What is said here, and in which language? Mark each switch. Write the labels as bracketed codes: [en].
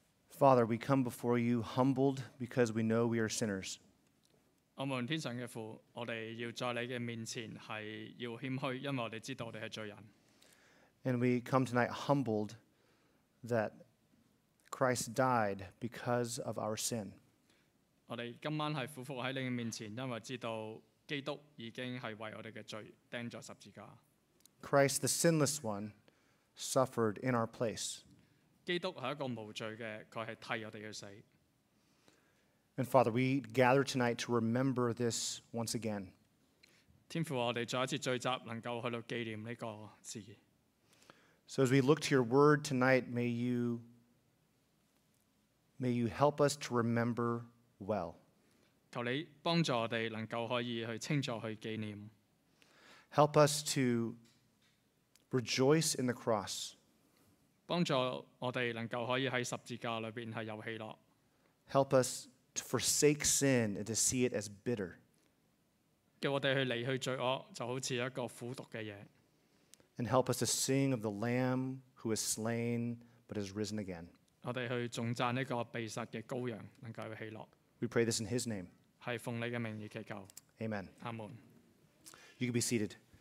[en] Father, we come before you humbled because we know we are sinners. [zh] 我们天上的父，我们要在你的面前是要谦虚，因为我们知道我们是罪人。 [en] And we come tonight humbled that Christ died because of our sin. [zh] 我们今晚是俯伏在你的面前，因为知道基督已经是为我们的罪钉在十字架。 [en] Christ, the sinless one, suffered in our place. [zh] 基督是一个无罪的，他是替我们去死。 [en] And Father, we gather tonight to remember this once again. [zh] 天父，我们再一次聚集，能够去到纪念这个事。 [en] So as we look to your word tonight, may you help us to remember well. [zh] 求你帮助我们能够可以去清楚去纪念。 [en] Help us to rejoice in the cross. [zh] 帮助我们能够可以在十字架里面是有喜乐。 [en] Help us to forsake sin and to see it as bitter. [zh] 叫我们去离去罪恶，就好像一个苦毒的东西。 [en] And help us to sing of the Lamb who is slain but has risen again. We pray this in His name. Amen. Amen. You can be seated.